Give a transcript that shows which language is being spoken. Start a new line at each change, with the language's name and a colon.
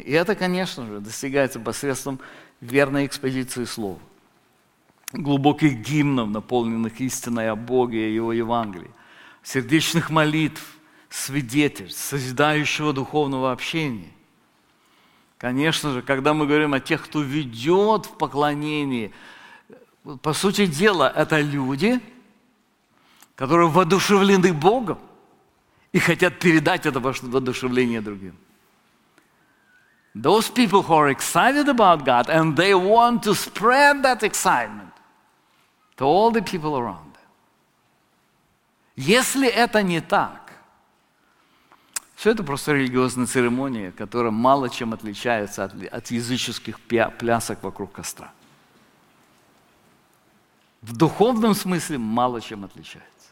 Russian: И это, конечно же, достигается посредством верной экспозиции слова, глубоких гимнов, наполненных истиной о Боге и Его Евангелии, сердечных молитв, свидетельств, созидающего духовного общения. Конечно же, когда мы говорим о тех, кто ведет в поклонении, по сути дела, это люди, которые воодушевлены Богом и хотят передать это воодушевление другим.
English: Those people who are excited about God and they want to spread that excitement to all the people around them.
Russian: Если это не так, все это просто религиозная церемония, которая мало чем отличается от языческих плясок вокруг костра. В духовном смысле мало чем отличается.